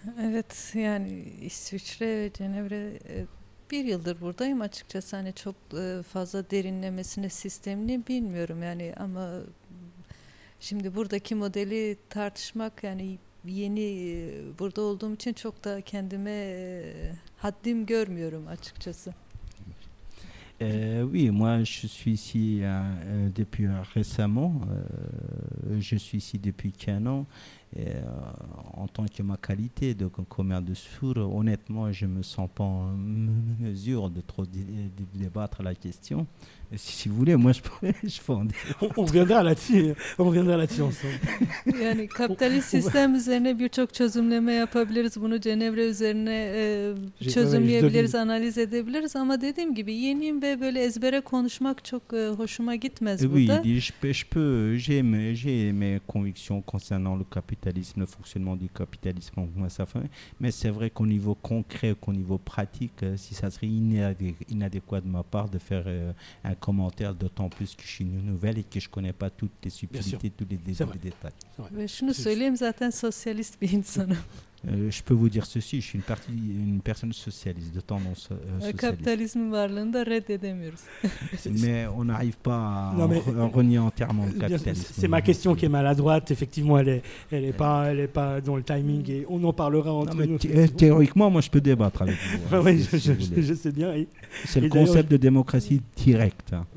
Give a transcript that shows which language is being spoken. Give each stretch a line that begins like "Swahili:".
Turkish: Evet, yani İsviçre ve Cenevre, bir yıldır buradayım açıkçası, hani çok fazla derinlemesine sistemini bilmiyorum yani, ama şimdi buradaki modeli tartışmak, yani yeni burada olduğum için çok da kendime haddim görmüyorum açıkçası.
French: Oui, moi je suis ici depuis récemment, je suis ici depuis 15 ans, et en tant que ma qualité de commerce de sourds, honnêtement, je ne me sens pas en mesure de trop débattre la question. Si vous voulez, moi je peux en dire. On reviendra là-dessus ensemble.
Turkish: Yani kapitalist sistem üzerine birçok çözümleme yapabiliriz. Bunu Cenevre üzerine çözümleyebiliriz, analiz edebiliriz. Ama dediğim gibi yeniyim ve böyle ezbere konuşmak çok hoşuma gitmez burada.
French: Oui, j'ai mes convictions concernant le capitalisme, le fonctionnement du capitalisme, comment ça fait. Mais c'est vrai qu'au niveau concret, qu'au niveau pratique, si ça serait inadéquat de ma part de faire un commentaire, d'autant plus que je suis nouvelle et que je connais pas toutes les subtilités, tous les détails.
Turkish: Ben şunu söyleyeyim, zaten sosyalist bir insanım.
French: Je peux vous dire ceci, je suis une personne socialiste, de tendance socialiste. Le capitalisme
Turkish: varlığında reddedemiyoruz.
French: Mais on n'arrive pas à renier entièrement le capitalisme. C'est ma question qui est maladroite, effectivement, elle n'est pas dans le timing et on en parlera entre nous. Théoriquement, moi je peux débattre avec vous. Hein, je sais bien. C'est le concept de démocratie directe.